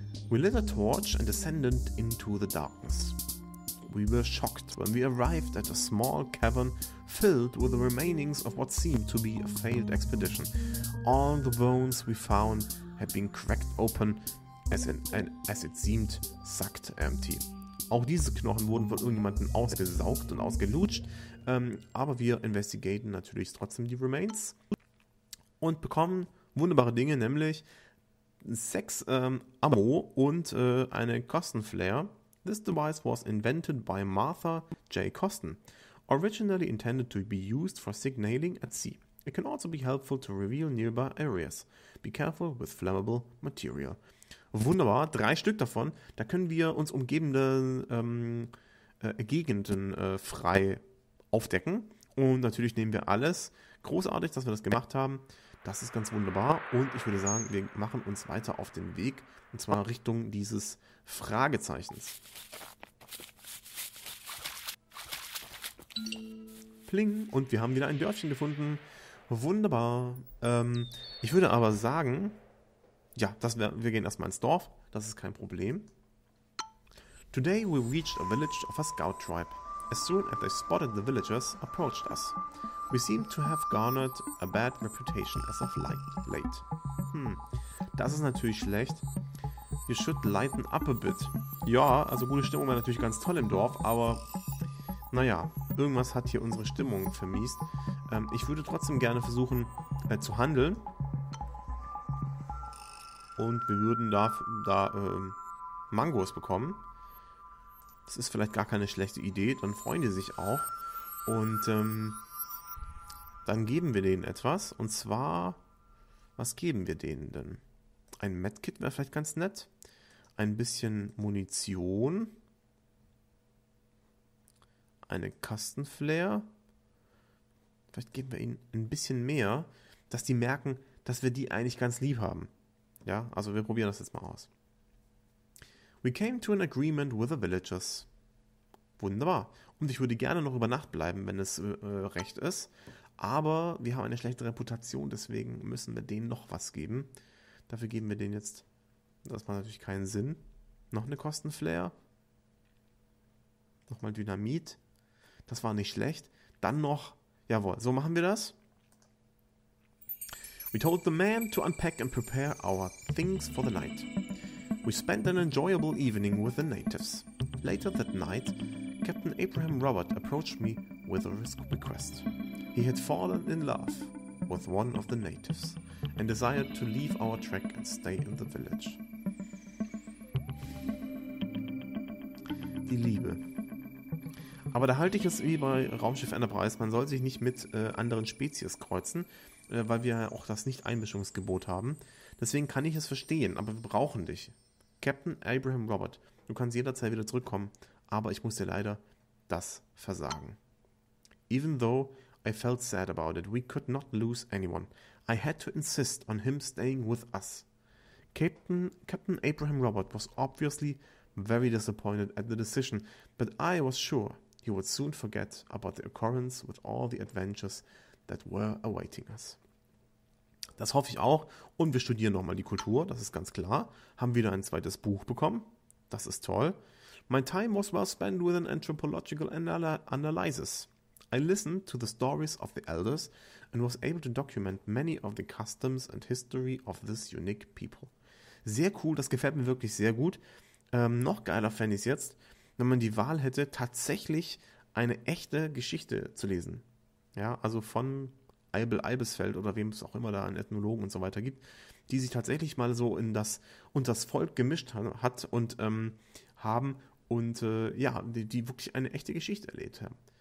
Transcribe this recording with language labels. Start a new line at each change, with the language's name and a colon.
English: We lit a torch and descended into the darkness. We were shocked when we arrived at a small cavern filled with the remainings of what seemed to be a failed expedition. All the bones we found had been cracked open, as it seemed, sucked empty.
German: Auch diese Knochen wurden von irgendjemandem ausgesaugt und ausgelutscht, aber wir investigaten natürlich trotzdem die Remains und bekommen wunderbare Dinge, nämlich 6 Ammo und eine Kostenflare.
English: This device was invented by Martha J. Kosten, originally intended to be used for signaling at sea. It can also be helpful to reveal nearby areas. Be careful with flammable material.
German: Wunderbar, 3 Stück davon. Da können wir uns umgebende Gegenden frei aufdecken. Und natürlich nehmen wir alles. Großartig, dass wir das gemacht haben. Das ist ganz wunderbar. Und ich würde sagen, wir machen uns weiter auf den Weg. Und zwar Richtung dieses Fragezeichens. Pling. Und wir haben wieder ein Dörfchen gefunden. Wunderbar. Ich würde aber sagen, ja, wir gehen erstmal ins Dorf. Das ist kein Problem.
English: Today we reached a village of a scout tribe. As soon as they spotted the villagers, approached us. We seem to have garnered a bad reputation as of late.
German: Das ist natürlich schlecht.
English: You should lighten up a bit.
German: Ja, also gute Stimmung war natürlich ganz toll im Dorf, aber naja, irgendwas hat hier unsere Stimmung vermiest. Ich würde trotzdem gerne versuchen zu handeln. Und wir würden da Mangos bekommen. Das ist vielleicht gar keine schlechte Idee, dann freuen die sich auch. Und dann geben wir denen etwas. Und zwar, was geben wir denen denn? Ein Medkit wäre vielleicht ganz nett. Ein bisschen Munition. Eine Kastenflare. Vielleicht geben wir ihnen ein bisschen mehr, dass die merken, dass wir die eigentlich ganz lieb haben. Ja, also wir probieren das jetzt mal aus.
English: We came to an agreement with the villagers.
German: Wunderbar. Und ich würde gerne noch über Nacht bleiben, wenn es recht ist. Aber wir haben eine schlechte Reputation, deswegen müssen wir denen noch was geben. Dafür geben wir denen jetzt, das macht natürlich keinen Sinn, noch eine Kostenflare. Nochmal Dynamit. Das war nicht schlecht. Dann noch, jawohl, so machen wir das.
English: We told the man to unpack and prepare our things for the night. We spent an enjoyable evening with the natives. Later that night, Captain Abraham Robert approached me with a request. He had fallen in love with one of the natives and desired to leave our trek and stay in the village.
German: Die Liebe. Aber da halte ich es wie bei Raumschiff Enterprise, man soll sich nicht mit anderen Spezies kreuzen, weil wir auch das Nicht-Einmischungsgebot haben. Deswegen kann ich es verstehen, aber wir brauchen dich. Captain Abraham Robert, du kannst jederzeit wieder zurückkommen, aber ich muss dir leider das versagen.
English: Even though I felt sad about it, we could not lose anyone. I had to insist on him staying with us. Captain Abraham Robert was obviously very disappointed at the decision, but I was sure he would soon forget about the occurrence with all the adventures that were awaiting us.
German: Das hoffe ich auch. Und wir studieren nochmal die Kultur, das ist ganz klar. Haben wieder ein zweites Buch bekommen. Das ist toll.
English: My time was well spent with an anthropological analysis. I listened to the stories of the elders and was able to document many of the customs and history of this unique people.
German: Sehr cool, das gefällt mir wirklich sehr gut. Noch geiler fände ich es jetzt, wenn man die Wahl hätte, tatsächlich eine echte Geschichte zu lesen. Ja, also von Eibel Eibesfeld oder wem es auch immer da an Ethnologen und so weiter gibt, die sich tatsächlich mal so in das und das Volk gemischt hat und haben und ja, die wirklich eine echte Geschichte erlebt haben.